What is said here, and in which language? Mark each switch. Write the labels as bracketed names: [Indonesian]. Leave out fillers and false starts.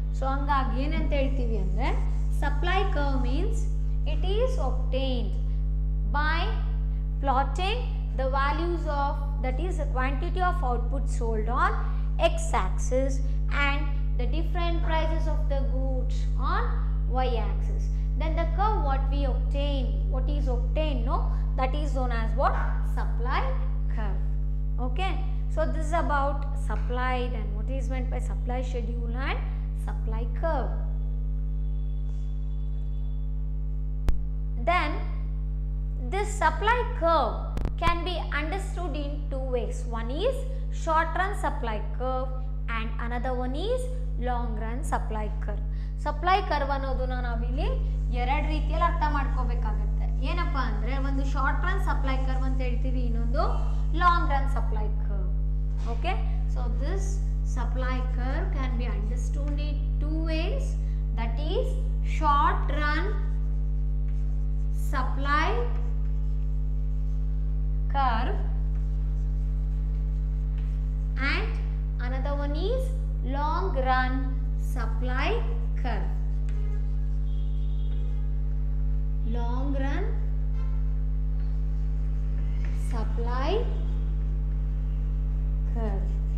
[Kannada] So ಹಂಗಾಗಿ ಏನಂತ ಹೇಳ್ತೀವಿ ಅಂದರೆ [English] Supply curve means it is obtained by plotting the values of that is the quantity of output sold on X axis and the different prices of the goods on Y axis. Then the curve what we obtain, what is obtain no, that is known as what, supply curve. Okay, so this is about supply and what is meant by supply schedule and supply curve. Then this supply curve can be understood in two ways. One is short run supply curve and another one is long run supply curve. [Kannada] Supply curve ಅನ್ನೋದನ್ನ ನಾವಿಲ್ಲಿ ಎರಡು ರೀತಿಯಲ್ಲಿ ಅರ್ಥ ಮಾಡ್ಕೋಬೇಕಾಗತ್ತೆ. ಏನಪ್ಪ ಅಂದರೆ ಒಂದು short run supply curve ಅಂತ ಹೇಳ್ತೀವಿ, ಇನ್ನೊಂದು long run supply curve. [English] Okay, so this supply curve can be understood in two ways, that is short run supply curve and another one is long run supply curve. Long run supply curve.